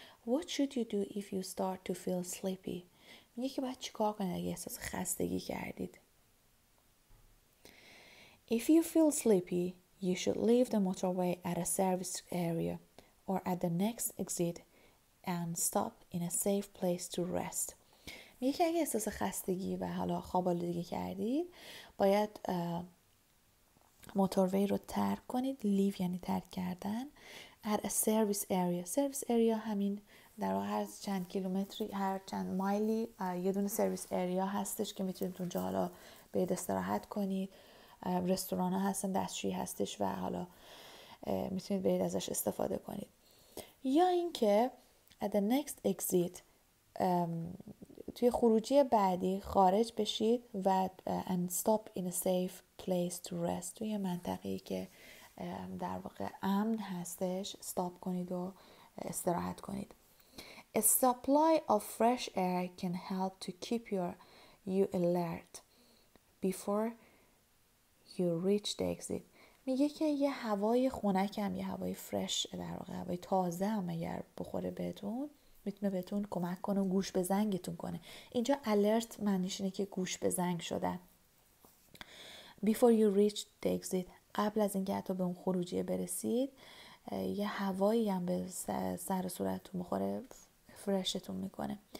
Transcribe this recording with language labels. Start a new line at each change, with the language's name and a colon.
English: What should you do if you start to feel sleepy?
Persian: میگه که باید چیکار کنید اگه احساس خستگی کردید.
English: If you feel sleepy, you should leave the motorway at a service area or at the next exit and stop in a safe place to rest.
Persian: میگه که اگه احساس خستگی و حالا خواب آلودگی کردید باید موتوروی رو ترک کنید. لیو یعنی ترک کردن.
English: At a service area.
Persian: Service area همین در هر چند کیلومتری، هر چند مایلی یه دونه service area هستش که میتونید اونجا حالا به استراحت کنید. رستوران ها هستن، دستشویی هستش و حالا میتونید برید ازش استفاده کنید. یا اینکه
English: at the next exit
Persian: توی خروجی بعدی خارج بشید و
English: and stop in a safe place to rest.
Persian: توی منطقه‌ای که در واقع امن هستش stop کنید و استراحت کنید.
English: A supply of fresh air can help to keep you alert before you reach the exit.
Persian: میگه که یه هوای خنک هم، یه هوای فرش در واقع، هوای تازه هم اگر بخوره بهتون میتونه بهتون کمک کنه و گوش به زنگتون کنه. اینجا alert معنیش اینه که گوش به زنگ شدن.
English: Before you reach the exit،
Persian: قبل از اینکه حتی به اون خروجی برسید یه هوایی هم به سر صورتتون بخوره فرشتون میکنه.